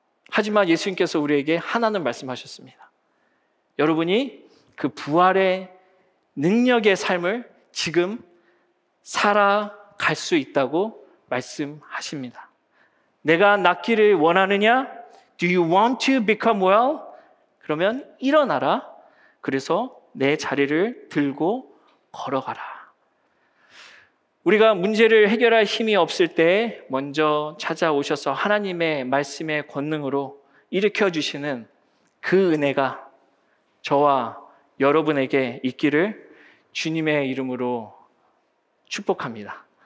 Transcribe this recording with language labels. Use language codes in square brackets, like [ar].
[ko] 하지만 예수님께서 우리에게 하나는 말씀하셨습니다. 여러분이 그 부활의 능력의 삶을 지금 살아갈 수 있다고 말씀하십니다. 내가 낫기를 원하느냐? [en] Do you want to become well? [ko] 그러면 일어나라. 그래서 내 자리를 들고 걸어가라. 우리가 문제를 해결할 힘이 없을 때 먼저 찾아오셔서 하나님의 말씀의 권능으로 일으켜주시는 그 은혜가 저와 여러분에게 있기를 주님의 이름으로 축복합니다.